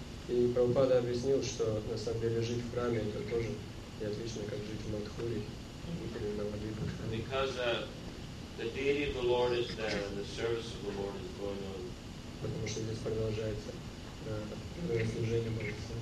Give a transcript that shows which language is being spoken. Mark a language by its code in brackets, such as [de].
[ru] И Прабхупада объяснил, что на самом деле жить в храме это тоже не отлично, как жить в Мадхуре или Навадвипа. [en] Because the deity of the Lord is there and the service of the Lord is going on. [ru] Потому что здесь продолжается служение молитвы.